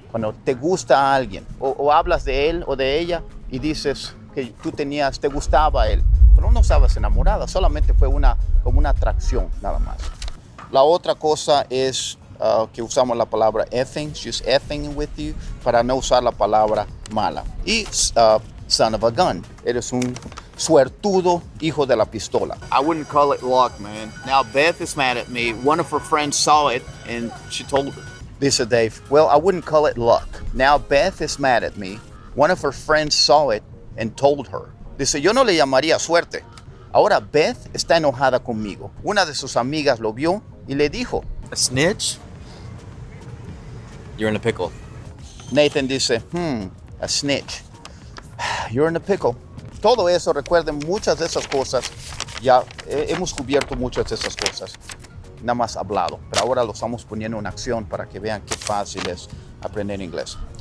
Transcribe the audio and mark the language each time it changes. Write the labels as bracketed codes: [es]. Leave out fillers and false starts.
[es] Cuando te gusta a alguien, o hablas de él o de ella y dices que tú tenías, te gustaba a él, pero no estabas enamorada, solamente fue una, como una atracción, nada más. La otra cosa es que usamos la palabra effing, she's effing with you, para no usar la palabra mala. Y son of a gun, eres un suertudo hijo de la pistola. [en] I wouldn't call it luck, man. Now Beth is mad at me. One of her friends saw it and she told her. Dice Dave, well, I wouldn't call it luck. Now Beth is mad at me. One of her friends saw it and told her. [es] Dice, yo no le llamaría suerte. Ahora Beth está enojada conmigo. Una de sus amigas lo vio y le dijo. [en] A snitch? You're in a pickle. Nathan dice, a snitch. You're in a pickle. [es] Todo eso, recuerden, muchas de esas cosas, ya hemos cubierto muchas de esas cosas, nada más hablado, pero ahora lo estamos poniendo en acción para que vean qué fácil es aprender inglés.